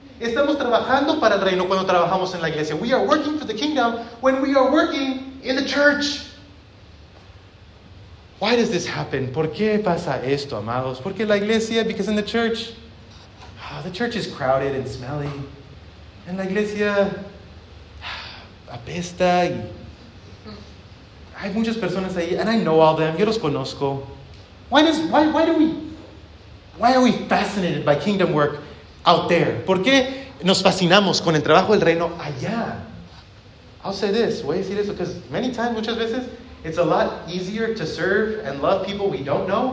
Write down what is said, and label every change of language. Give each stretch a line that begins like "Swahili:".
Spanish: Estamos trabajando para el reino cuando trabajamos en la iglesia.
English: We are working for the kingdom when we are working in the church. Why does this happen?
Spanish: ¿Por qué pasa esto, amados? ¿Por qué la iglesia?
English: Because in the church, oh, the church is crowded and smelly.
Spanish: And la iglesia apesta. Y hay muchas personas ahí,
English: and I know all them.
Spanish: Yo los conozco.
English: Why are we fascinated by kingdom work out there?
Spanish: ¿Por qué nos fascinamos con el trabajo del reino allá?
English: I'll say this.
Spanish: Voy a decir eso
English: because many times,
Spanish: muchas veces,
English: it's a lot easier to serve and love people we don't know.